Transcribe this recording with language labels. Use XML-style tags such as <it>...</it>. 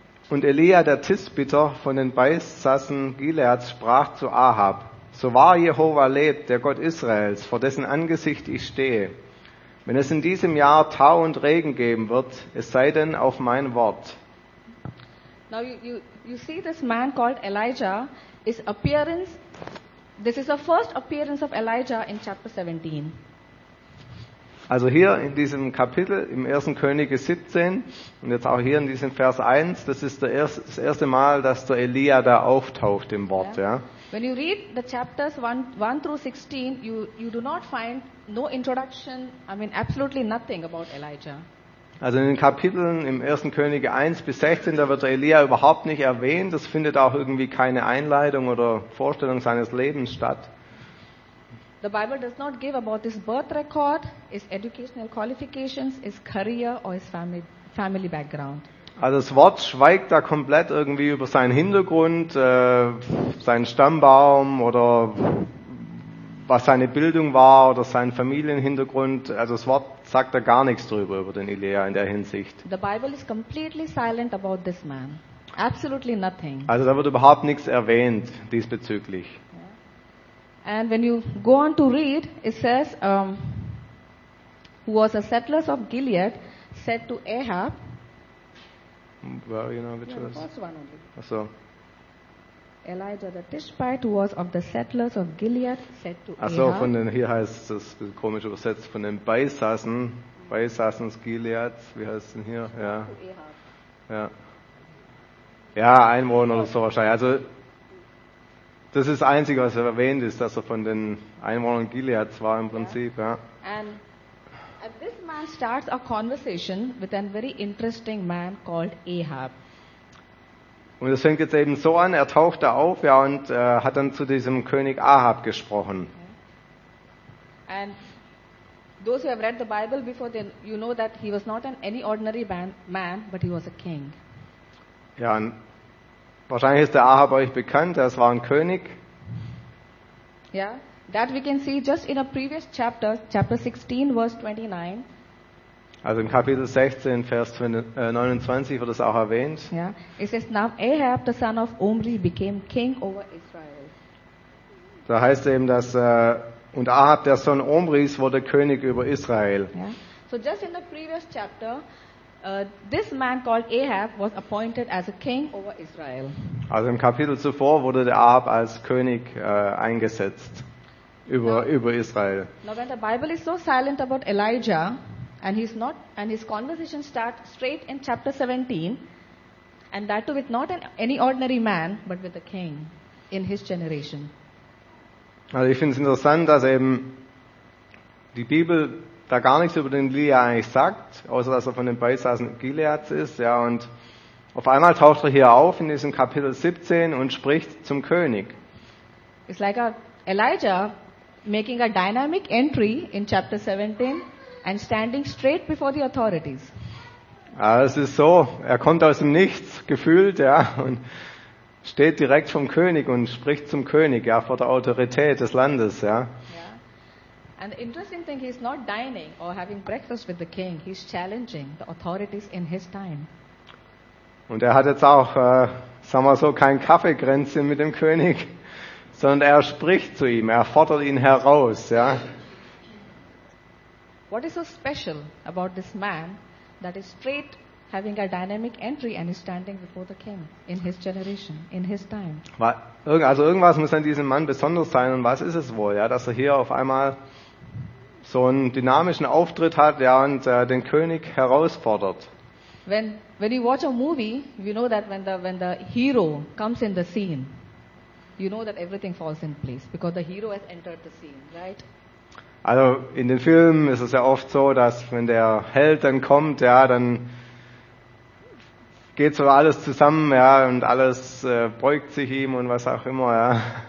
<de>Und Elia, der Tisbiter von den Beissassen Gileads, sprach zu Ahab: So wahr Jehova lebt, der Gott Israels, vor dessen Angesicht ich stehe. Wenn es in diesem Jahr Tau und Regen geben wird, es sei denn auf mein Wort.</de> <en>Now you see this man called Elijah, his appearance, this is the first appearance of Elijah in chapter 17.</en> <de>Also hier in diesem Kapitel, im 1. Könige 17 und jetzt auch hier in diesem Vers 1, das ist das erste Mal, dass der Elia da auftaucht im Wort, ja.</de> <en>When you read the chapters 1 through 16, you do not find no introduction, I mean absolutely nothing about Elijah.</en> <de>Also in den Kapiteln im 1. Könige 1 bis 16, da wird Elia überhaupt nicht erwähnt. Das findet auch irgendwie keine Einleitung oder Vorstellung seines Lebens statt.</de> <en>The Bible does not give about his birth record, his educational qualifications, his career or his family background.</en> <de>Also das Wort schweigt da komplett irgendwie über seinen Hintergrund, seinen Stammbaum oder was seine Bildung war oder seinen Familienhintergrund. Also das Wort sagt da gar nichts drüber über den Elia in der Hinsicht.</de> <en>The Bible is completely silent about this man. Absolutely nothing.</en> <de>Also da wird überhaupt nichts erwähnt diesbezüglich.</de> <en>And when you go on to read, it says, who was a settler of Gilead, said to Ahab, well, you know, which was? Elijah the Tishbite was of the settlers of Gilead, said to Ahab.</en> <de>Achso, von den, hier heißt es, das ist komisch übersetzt, von den Beisassen, Beisassens Gileads, wie heißt es denn hier? Ja. Ja. Ja, Einwohner oder so wahrscheinlich. Also, das ist das Einzige, was er erwähnt ist, dass er von den Einwohnern Gileads war im Prinzip, ja.</de> <en>And this man starts a conversation with a very interesting man called Ahab.</en> <de>Und es fängt jetzt eben so an, er taucht da auf, ja, und hat dann zu diesem König Ahab gesprochen. Okay.</de> <en>And those who have read the Bible before, then you know that he was not an any ordinary man, but he was a king.</en> <de>Ja, wahrscheinlich ist der Ahab euch bekannt. Er war ein König.</de> <en>Yeah, that we can see just in a previous chapter, chapter 16, verse 29.</en> <de>Also im Kapitel 16, Vers 29 wird es auch erwähnt.</de> <en>Yeah, it says now Ahab, the son of Omri, became king over Israel.</en> <de>Da heißt eben, dass und Ahab, der Sohn Omris, wurde König über Israel.</de> <en>Yeah. So just in the previous chapter, this man called Ahab was appointed as a king over Israel.</en> <de>Also im Kapitel zuvor wurde der Ahab als König eingesetzt über Israel.</de> <en>Now when the Bible is so silent about Elijah and he's not and his conversation starts straight in chapter 17 and that too with not any ordinary man but with a king in his generation.</en> <de>Also ich finde es interessant, dass eben die Bibel da gar nichts über den Elia eigentlich sagt, außer dass er von den Beisassen Gileads ist. Ja, und auf einmal taucht er hier auf in diesem Kapitel 17 und spricht zum König.</de> <en>It's like Elijah making a dynamic entry in chapter 17 and standing straight before the authorities.</en> <de>Ja, es ist so, er kommt aus dem Nichts, gefühlt, ja, und steht direkt vom König und spricht zum König, ja, vor der Autorität des Landes, ja.</de> <en>And the interesting thing, he's not dining or having breakfast with the king. He's challenging the authorities in his time.</en> <de>Und hat jetzt auch, sagen wir so, kein Kaffeekränzchen mit dem König, sondern spricht zu ihm. Fordert ihn heraus, ja.</de> <en>What is so special about this man that is straight having a dynamic entry and is standing before the king in his generation, in his time?</en> <de>Also irgendwas muss an diesem Mann besonders sein. Und was ist es wohl, ja, dass hier auf einmal so einen dynamischen Auftritt hat, ja, und den König herausfordert.</de> <en>When you watch a movie, you know that when the hero comes in the scene, you know that everything falls in place because the hero has entered the scene, right?</en> <de>Also in den Filmen ist es ja oft so, dass wenn der Held dann kommt, ja, dann geht so alles zusammen, ja, und alles beugt sich ihm und was auch immer, ja.</de>